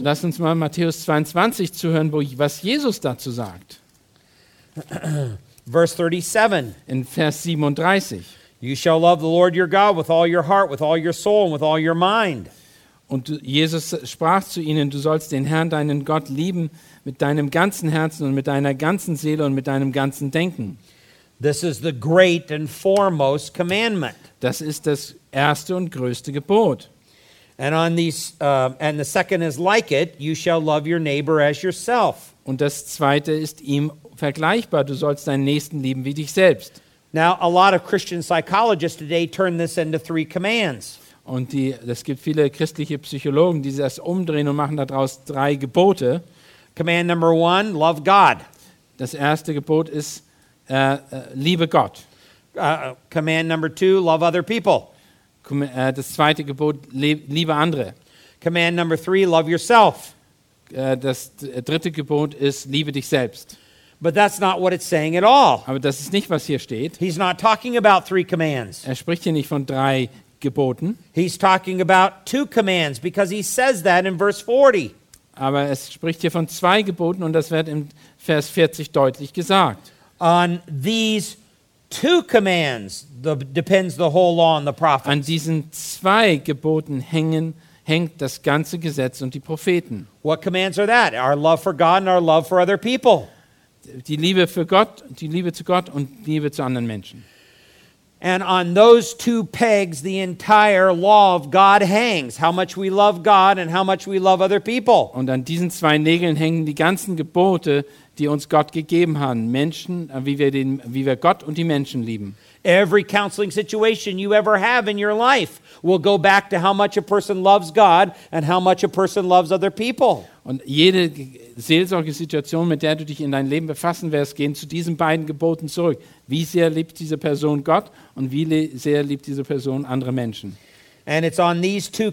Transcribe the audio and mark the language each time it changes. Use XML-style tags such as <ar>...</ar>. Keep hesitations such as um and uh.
<de>Lass uns mal Matthäus 22 zuhören, wo ich, was Jesus dazu sagt.</de> <en>Verse 37.</en> <de>In Vers 37.</de> <en>You shall love the Lord your God with all your heart, with all your soul, and with all your mind.</en> <de>Und Jesus sprach zu ihnen, du sollst den Herrn, deinen Gott, lieben mit deinem ganzen Herzen und mit deiner ganzen Seele und mit deinem ganzen Denken.</de> <en>This is the great and foremost commandment.</en> <de>Das ist das erste und größte Gebot.</de> <en>And, on these, uh, and the second is like it, you shall love your neighbor as yourself.</en> <de>Und das zweite ist ihm vergleichbar. Du sollst deinen Nächsten lieben wie dich selbst.</de> <en>Now, a lot of Christian psychologists today turn this into three commands.</en> <de>Und die, es gibt viele christliche Psychologen, die das umdrehen und machen daraus drei Gebote.</de> <en>Command number one, love God.</en> <de>Das erste Gebot ist, äh, äh, liebe Gott.</de> <en>Uh, command number two, love other people.</en> <de>Komm äh, das zweite Gebot, liebe andere.</de> <en>Command number three, love yourself.</en> <de>das dritte Gebot ist, liebe dich selbst.</de> <en>But that's not what it's saying at all.</en> <de>Nicht,</de> <en>He's not talking about three commands. Er He's talking about two commands because he says that in verse 40.</en> <de>Geboten, in Vers 40</de> <en>On these two commands the, depends the whole law and the prophets.</en> <de>An diesen zwei Geboten hängen hängt das ganze Gesetz und die Propheten.</de> <en>What commands are that? Our love for God and our love for other people</en> <de>die Liebe für Gott, die Liebe zu Gott und Liebe zu anderen Menschen.</de> <en>And on those two pegs the entire law of God hangs, how much we love God and how much we love other people.</en> <de>Und an diesen zwei Nägeln hängen die ganzen Gebote, die uns Gott gegeben hat, Menschen, wie wir den wie wir Gott und die Menschen lieben.</de> <en>Every counseling situation you ever have in your life will go back to how much a person loves God and how much a person loves other people.</en> <de>Und jede Seelsorgesituation, mit der du dich in dein Leben befassen wirst, geht zu diesen beiden Geboten zurück. Wie sehr liebt diese Person Gott und wie sehr liebt diese Person andere Menschen?</de> <en>And it's on these</en>